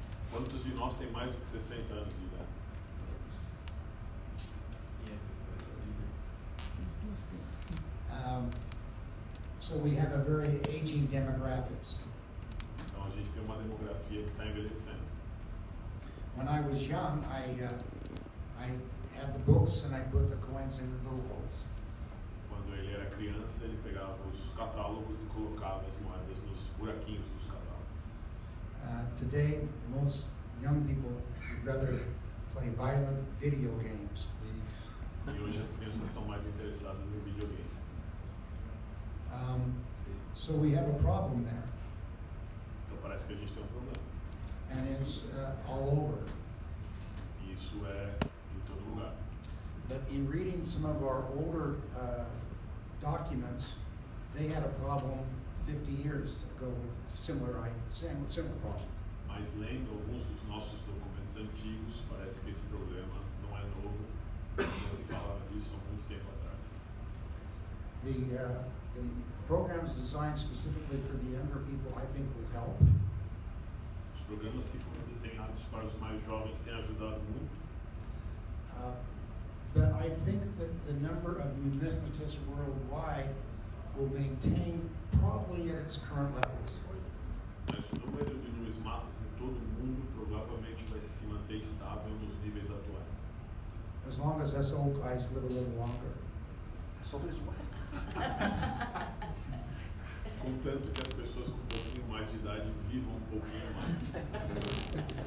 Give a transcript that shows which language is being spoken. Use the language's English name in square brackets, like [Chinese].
[Portuguese] Quantos de nós tem mais do que 60 anos de idade? [English] So we have a very aging demographics. [Portuguese] Então a gente tem uma demografia que está envelhecendo. [English] When I was young, I had the books and I put the coins in the little holes. [Portuguese] Quando ele era criança, ele pegava os catálogos e colocava as moedas nos buraquinhos dos catálogos. [English] Today, most young people would rather play violent video games. [Portuguese] E hoje as crianças estão mais interessadas em videogames. [English] So we have a problem there. [Portuguese] Então parece que a gente tem problema. [English] And it's all over. [Portuguese] Isso é em todo lugar. [English] But in reading some of our older documents, they had a problem 50 years ago with similar problem. [Portuguese] Mas lendo alguns dos nossos documentos antigos, parece que esse problema não é novo. Se falava disso há muito tempo atrás. [English] The programs designed specifically for the younger people, I think, will help. [Portuguese] Os programas que foram desenhados para os mais jovens têm ajudado muito. [English] But I think that the number of numismatists worldwide will maintain probably at its current levels. [Portuguese] Mas o número de numismatas em todo o mundo provavelmente vai se manter estável nos níveis atuais. [English] As long as us old guys live a little longer. [Portuguese] Só mais uma. Contanto que as pessoas com um pouquinho mais de idade vivam um pouquinho mais.